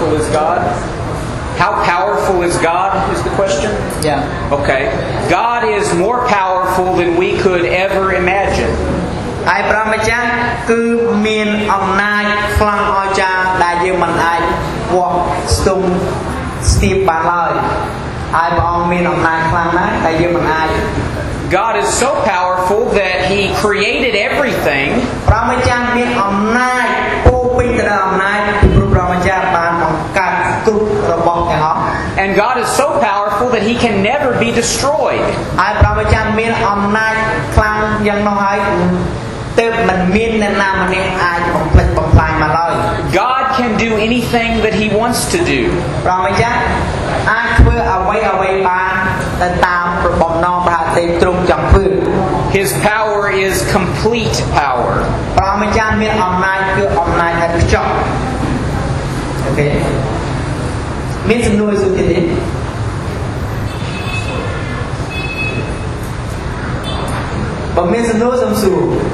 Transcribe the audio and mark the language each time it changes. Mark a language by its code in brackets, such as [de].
[en] How powerful is God is the question? Yeah. Okay. God is more powerful than we could ever imagine. [km] ឯព្រះម្ចាស់គឺមានអំណាចខ្លាំងអស្ចារ្យដែលយើងមិនអាចវាស់ស្ទង់ស្ទាបបានឡើយហើយព្រះអង្គមានអំណាចខ្លាំងណាស់ដែលយើងមិនអាច [en] God is so powerful that he created everything. [km] ព្រះម្ចាស់មានអំណាចពោពេញទៅដោយអំណាចព្រោះព្រះម្ចាស់បានបង្កើតគ្រប់របស់ទាំងអស់ [en] And God is so powerful that he can never be destroyed. [km] ហើយព្រះម្ចាស់មានអំណាចខ្លាំងយ៉ាងណោះហើយតែមិនមាននរណាម្នាក់អាចបំផ្លិចបំផ្លាញមកឡើយ [en] God can do anything that he wants to do [km] ព្រះម្ចាស់អាចធ្វើអ្វីបានទៅតាមប្របំណងព្រះទេពទ្រង់ចង់ធ្វើ [en] His power is complete power [km] ព្រះម្ចាស់មានអំណាចគឺអំណាចឥតខ្ចោះអូខេមានសំណួរសួរទៀតទេ បើមានសំណួរសូមសួរ